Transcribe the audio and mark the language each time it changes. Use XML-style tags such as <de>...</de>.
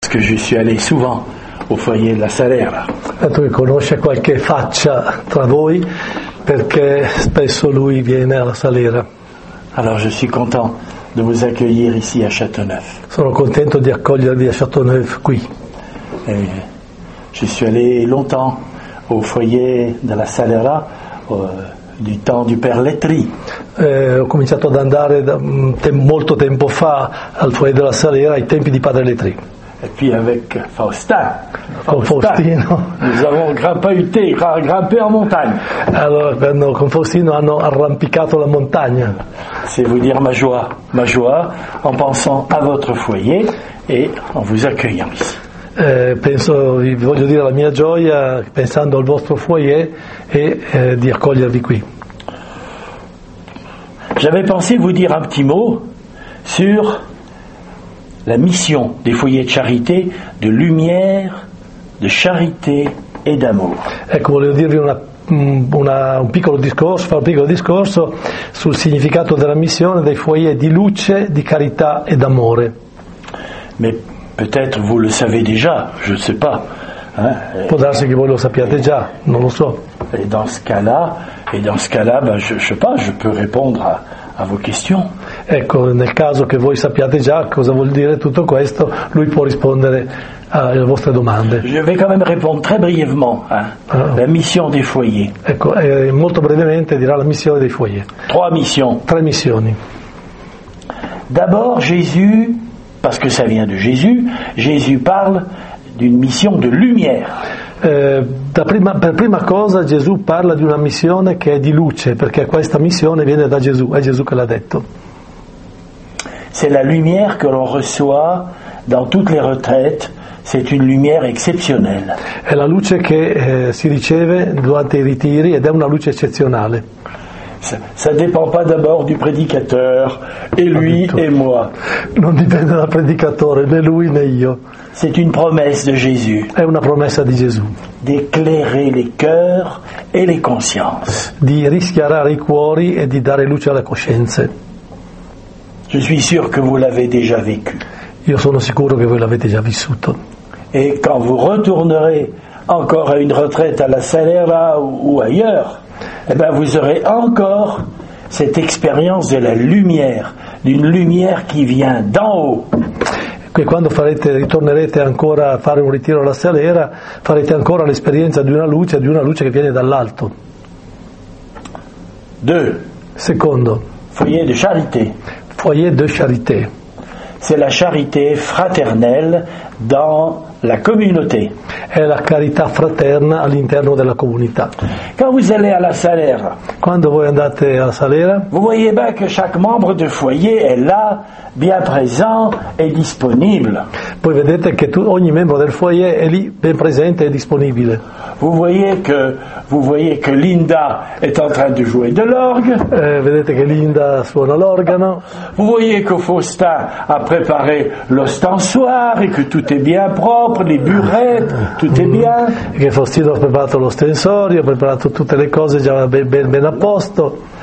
<fr>parce que je suis allé souvent au foyer de la Serrera.</fr> <it>Tu conosci qualche faccia tra voi perché spesso lui viene alla Serrera.</it> <fr>Alors je suis content de vous accueillir ici à Châteauneuf.</fr> <it>Sono contento di accogliervi a Châteauneuf qui.</it> <fr>Et je suis allé longtemps au foyer de la Serrera du temps du père Letri.</fr> <it>Ho cominciato ad andare molto tempo fa al foyer della Serrera ai tempi di padre Letri.</it> <fr>Et puis avec Faustin.</fr> <it>Con Faustino.</it> <fr>Nous avons grimpé en montagne.</fr> <it>Allora, con Faustino hanno arrampicato la montagna.</it> <fr>C'est vous dire ma joie, en pensant à votre foyer et en vous accueillant ici.</fr> <it>Penso, vi voglio dire la mia gioia pensando al vostro foyer e di accogliervi qui.</it> <fr>J'avais pensé vous dire un petit mot sur la mission des foyers de charité, de lumière, de charité et d'amour.</fr> <it>Ecco, volevo dirvi un piccolo discorso sul significato della missione dei foyers di luce, di carità e d'amore.</it> <fr>Mais peut-être vous le savez déjà, je ne sais pas.</fr> <it>Può darsi che voi lo sappiate già, non lo so.</it> <fr>Et dans ce cas-là, ben je ne sais pas, je peux répondre à vos questions.</fr> <it>Ecco, nel caso che voi sappiate già cosa vuol dire tutto questo, lui può rispondere alle vostre domande.</it> <fr>Je vais quand même répondre très brièvement, La mission des foyers.</fr> <it>Ecco, molto brevemente dirà la missione dei foyers. Tre missioni.</it> <fr>D'abord Jésus, parce que ça vient de Jésus, Jésus parle d'une mission de lumière.</fr> <it>Per prima cosa Gesù parla di una missione che è di luce, perché questa missione viene da Gesù, è Gesù che l'ha detto.</it> <fr>C'est la lumière que l'on reçoit dans toutes les retraites, c'est une lumière exceptionnelle.</fr> <it>È la luce che si riceve durante i ritiri ed è una luce eccezionale.</it> <fr>Ça dépend pas d'abord du prédicateur et lui et moi.</fr> <it>Non dipende dal predicatore, né lui né io.</it> <fr>C'est une promesse de Jésus.</fr> <it>È una promessa di Gesù.</it> <fr>D'éclairer les cœurs et les consciences.</fr> <it>Di rischiarare i cuori e di dare luce alle coscienze.</it> <fr>Je suis sûr que vous l'avez déjà vécu.</fr> <it>Io sono sicuro che voi l'avete già vissuto.</it> <fr>Et quand vous retournerez encore à une retraite à la Serrera ou ailleurs, eh bien vous aurez encore cette expérience de la lumière, d'une lumière qui vient d'en haut.</fr> <it>E quando ritornerete ancora a fare un ritiro alla Serrera, farete ancora l'esperienza di una luce che viene dall'alto. Secondo.</it> <fr>Foyer de charité. Foyer de charité. C'est la charité fraternelle dans la communauté.</fr> <it>È la carità fraterna all'interno della comunità.</it> <fr>Quand vous allez à la Serrera,</fr> <it>quando voi andate a Serrera,</it> <fr>vous voyez bien que chaque membre de foyer est là, bien présent et disponible.</fr> <it>Voi vedete che ogni membro del foyer è lì, ben presente e disponibile.</it> <fr>Vous voyez que Linda est en train de jouer de l'orgue.</fr> <it>Vedete che Linda suona l'organo.</it> <fr>Vous voyez que Faustin a préparé l'ostensoire et que tout est bien propre, les burettes, tout est bien.</fr> <it>Che Faustino ha preparato l'ostensorio, ha preparato tutte le cose già ben a posto.</it>